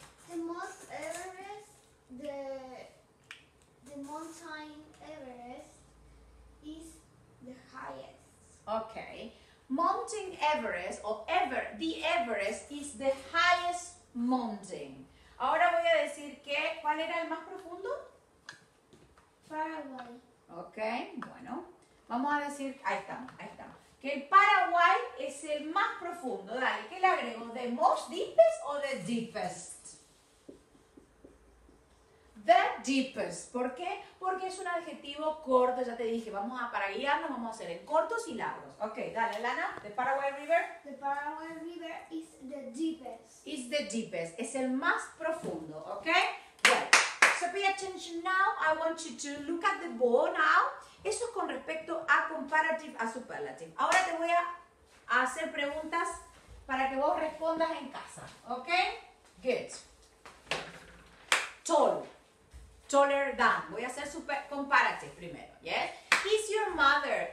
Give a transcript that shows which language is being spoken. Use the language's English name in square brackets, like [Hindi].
[English] The most Everest, the mountain Everest is the highest. Okay. Mountain Everest or ever the Everest is the highest mountain. [Spanish] Ahora voy a decir que ¿cuál era el más profundo? Paraguay. Okay, bueno. Vamos a decir, ahí estamos. Que el Paraguay es el más profundo. Dale, ¿qué le agrego? [English] ¿The most deepest o the deepest? The deepest. [Spanish] ¿Por qué? Porque es un adjetivo corto, ya te dije, vamos a, para guiarnos, vamos a hacer en cortos y largos. [English] Ok, dale, Lana, the Paraguay River. The Paraguay River is the deepest. Is the deepest, [Spanish] es el más profundo, ok? [English] Well, so pay attention now, I want you to look at the board now. [Spanish] Eso es con respecto a comparative, a superlative. Ahora te voy a hacer preguntas para que vos respondas en casa, ok? [English] Good. Tall. Taller than. [Spanish] Voy a hacer super comparative primero. Yes. [English] Is your mother?